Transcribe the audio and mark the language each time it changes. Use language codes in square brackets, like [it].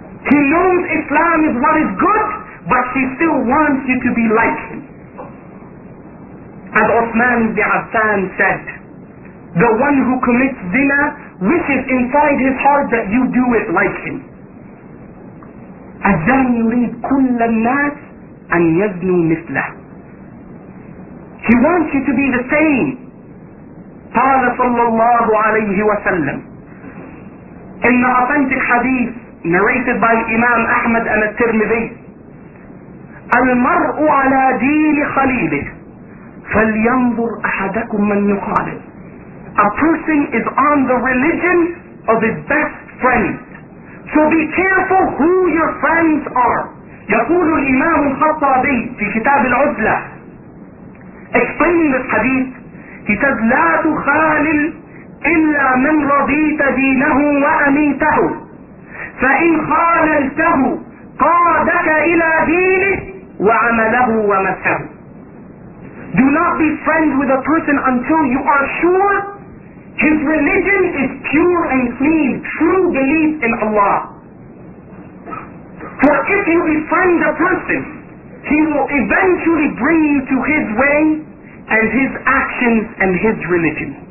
[en] He knows Islam is what is good, but he still wants you to be like him. As Uthman ibn Affan said, the one who commits zina wishes inside his heart that you do it like him. [ar] الزاني يريد كل الناس أن يزنوا مثله. [en] He wants you to be the same. [ar] قال صلى الله عليه وسلم [en] in the authentic hadith narrated by Imam Ahmad and al-Tirmidhi, [ar] المرء على دين خليله فلينظر أحدكم من يخالف. [en] A person is on the religion of his best friend. So be careful who your friends are. [ar] يقول الإمام الخطابي في كتاب العزلة [en] explaining this hadith, he says, [ar] لا تخالل إلا من رضيت دينه وأميته فإن خاللته قادك إلى دينه وعمله ومسه. [en] Do not be friends with a person until you are sure his religion is pure and clean, true belief in Allah. For if you befriend a person, he will eventually bring you to his way and his actions and his religion.